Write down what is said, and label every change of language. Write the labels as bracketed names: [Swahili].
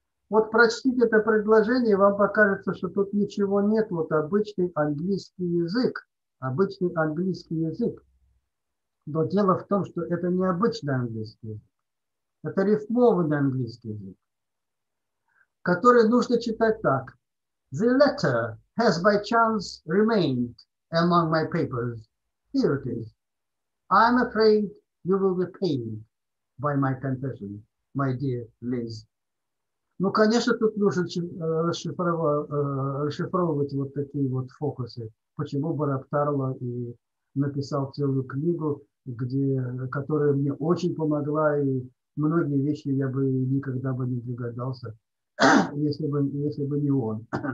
[Russian] Вот прочтите это предложение, и вам покажется, что тут ничего нет. Вот обычный английский язык. Обычный английский язык. Но дело в том, что это не обычный английский язык. Это рифмованный английский язык, который нужно читать так. [English] The letter has by chance remained among my papers. Here it is. I'm afraid you will be pained by my confession, my dear Liz. [Russian] Ну, конечно, тут нужно расшифровывать вот такие вот фокусы. Почему Бараб Тарло и написал целую книгу, где, которая мне очень помогла, и многие вещи я бы никогда бы не догадался, если бы не он.